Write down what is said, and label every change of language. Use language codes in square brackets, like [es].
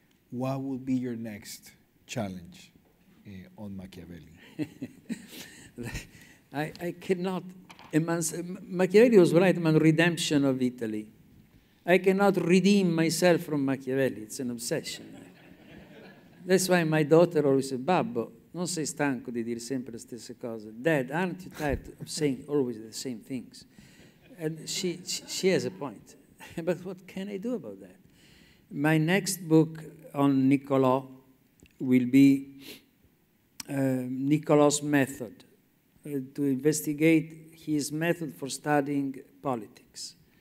[en] What will be your next challenge on Machiavelli? I cannot emancipate. Machiavelli was right about redemption of Italy. I cannot redeem myself from Machiavelli. It's an obsession. That's why my daughter always said, Babbo, [it] Non sei stanco di dire sempre le stesse cose. [en] Dad, aren't you tired of saying always the same things? And she has a point. But what can I do about that? My next book on Niccolò will be Niccolò's Method, to investigate his method for studying politics.